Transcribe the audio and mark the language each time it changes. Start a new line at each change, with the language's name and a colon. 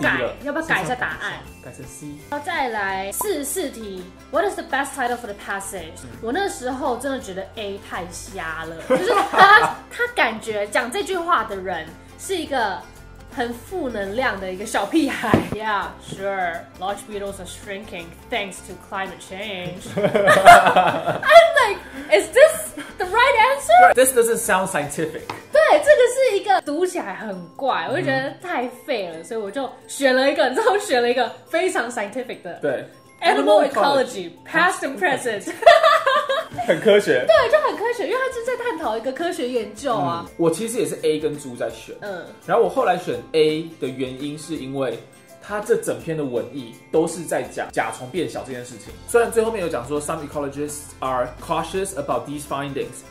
Chinese: 不是要改？要不要改一下答案？改成 C。好，再来44题 ，
English: What is the best title for the passage？，
Chinese: 嗯，我那时候真的觉得 A 太瞎了，就是他感觉讲这句话的人是一个。很负能量的一个小屁孩。
English: Yeah, sure. Large beetles are shrinking thanks to climate change. I'm like, is this the right answer? This doesn't sound scientific.
Chinese: 对，这个是一个读起来很怪，我就觉得太废了，所以我就选了一个，之后选了一个非常 scientific 的。对。
English: Animal ecology, past and present.
Chinese: 很科学，对，就很科学，因为他是在探讨一个科学研究啊，嗯。我其实也是 A 跟猪在选，嗯，然后我后来选 A 的原因是因为他这整篇的文意都是在讲甲虫变小这件事情，虽然最后面有讲说
English: some ecologists are cautious about these findings，